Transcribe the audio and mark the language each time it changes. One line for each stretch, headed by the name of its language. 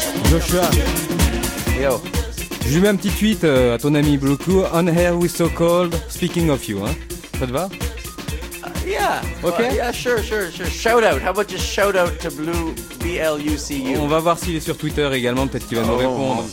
French: Joshua. Yo. Je lui mets un petit tweet à ton ami Bluku.
English: On air with so cold, speaking of you.
French: Hein. Ça te va?
English: Yeah. Okay. Well, yeah, sure. Shout out. How about just shout out to Blue BLUCU?
French: On va voir s'il est sur Twitter également, peut-être qu'il va nous répondre.